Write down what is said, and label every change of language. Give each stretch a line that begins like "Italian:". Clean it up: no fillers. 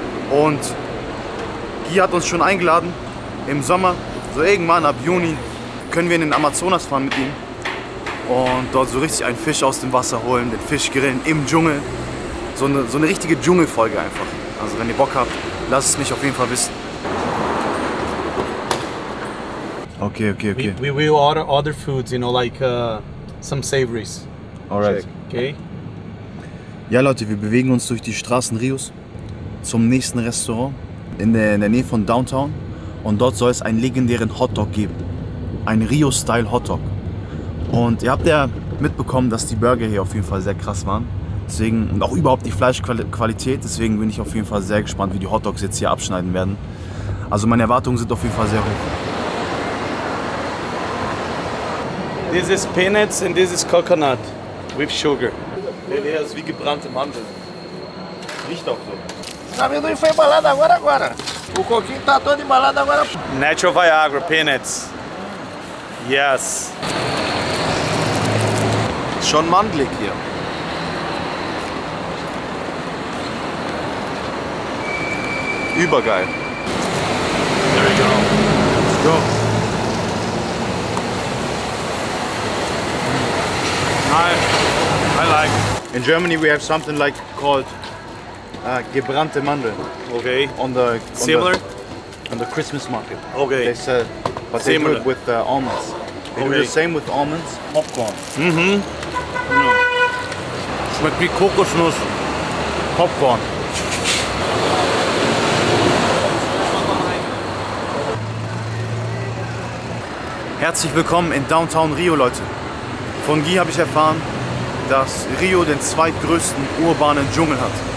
German: Und Guy hat uns schon eingeladen im Sommer. So irgendwann ab Juni können wir in den Amazonas fahren mit ihm und dort so richtig einen Fisch aus dem Wasser holen, den Fisch grillen im Dschungel. So eine richtige Dschungelfolge einfach. Also wenn ihr Bock habt, lasst es mich auf jeden Fall wissen.
English: Okay, okay, okay. We will order other foods, you know, like some savories. Alright. Okay.
German: Ja Leute, wir bewegen uns durch die Straßen Rios zum nächsten Restaurant in der Nähe von Downtown. Und dort soll es einen legendären Hotdog geben. Ein Rio-Style Hotdog. Und ihr habt ja mitbekommen, dass die Burger hier auf jeden Fall sehr krass waren. Deswegen, und auch überhaupt die Fleischqualität. Deswegen bin ich auf jeden Fall sehr gespannt, wie die Hotdogs jetzt hier abschneiden werden. Also meine Erwartungen sind auf jeden Fall sehr hoch.
English: This is peanuts and this is coconut with sugar.
German: Der ist wie gebrannte Mandeln. Riecht auch so.
Portuguese: Amendoim foi embalado agora. O coquinho tá todo embalado agora.
English: Natural Viagra, peanuts. Yes.
German: Schon mandelig hier. Übergeil.
English: There we go. Let's go. Nice. I like. In Germany we have something like called
German: Gebrannte Mandeln.
English: Okay. On the similar. On the Christmas market. Okay. They said, but they similar. Do it with almonds. They okay. do the same with almonds. Popcorn. Mm-hmm. No.
German: Schmeckt wie Kokosnuss.
English: Popcorn.
German: Herzlich willkommen in Downtown Rio, Leute. Von Guy habe ich erfahren, dass Rio den zweitgrößten urbanen Dschungel hat.